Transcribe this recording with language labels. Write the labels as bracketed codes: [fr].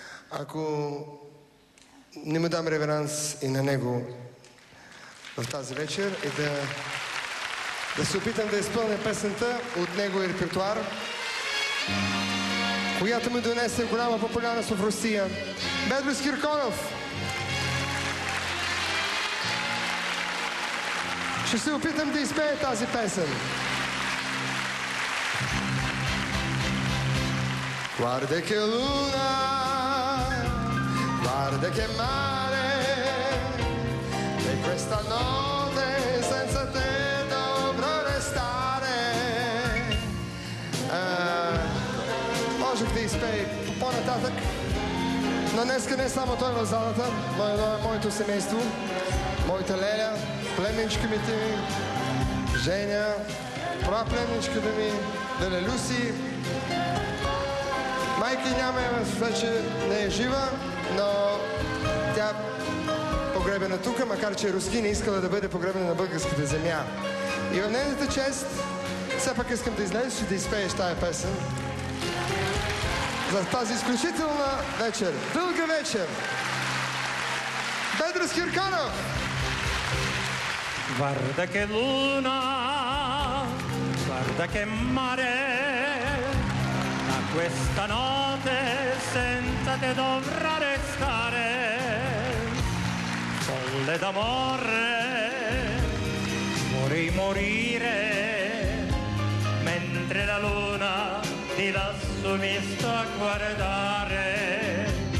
[bg] Ако не му дам реверанс и на него в тази вечер и да се опитам да изпълня песента от неговия репертуар, която ми донесе голяма популярност в Русия. Бедрус Кирконов! Ще се опитам да изпея тази песен. [it] Guarda che luna, guarda che mare, e questa notte senza te dovrò restare. [bg] Може да изпей по-нататък, но днеска не само той в залата, но едно е моето семейство, моята леля, племенчка ми ти, Женя, праплеменчка да ми, леля Люси. Майки няма вече, не е жива, но тя погребена тук, макар че руски не искала да бъде погребена на българската земя. И в нейната чест, все пак искам да излезеш и да изпееш тая песен. За тази изключителна вечер, дълга вечер, Бедрус Кирконов! [it] Guarda che luna, guarda che mare, ma questa notte senza te dovrà restare. Folle d'amore, vorrei morire, mentre la luna di lassù mi sta a guardare.